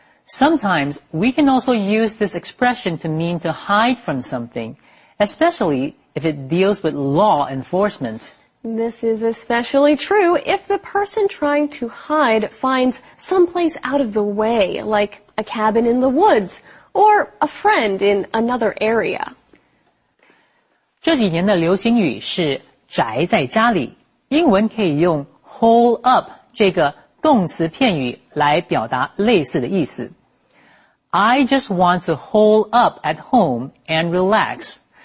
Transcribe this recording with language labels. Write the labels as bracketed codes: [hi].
[en] Sometimes we can also use this expression to mean to hide from something, especially if it deals with law enforcement. This is especially true if the person trying to hide finds someplace out of the way, like a cabin in the woods or a friend in another area. [zh] 这几年的流行语是宅在家里, 英文可以用hole up这个动词片语来表达类似的意思。 [en] I just want to hole up at home and relax.